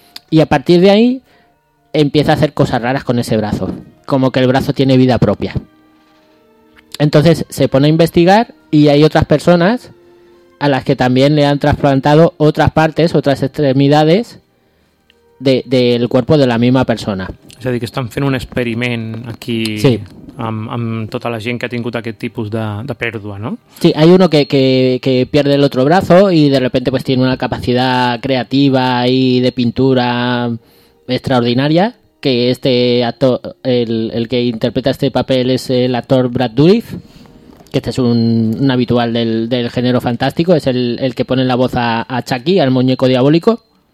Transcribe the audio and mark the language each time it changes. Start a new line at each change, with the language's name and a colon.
Spanish: Y a partir de ahí, empieza a hacer cosas raras con ese brazo. Como que el brazo tiene vida propia. Entonces se pone a investigar y hay otras personas a las que también le han trasplantado otras partes, otras extremidades del cuerpo de la misma persona.
Catalan: És a dir, que estan fent un experiment aquí. Sí. Amb tota la gent que ha tingut aquest tipus de pèrdua, no?
Spanish: Sí, hay uno que pierde el otro brazo y de repente pues tiene una capacidad creativa y de pintura extraordinaria, que este actor, el que interpreta este papel es el actor Brad Dourif, que este es un habitual del género fantástico, es el que pone la voz a Chucky, al muñeco diabólico.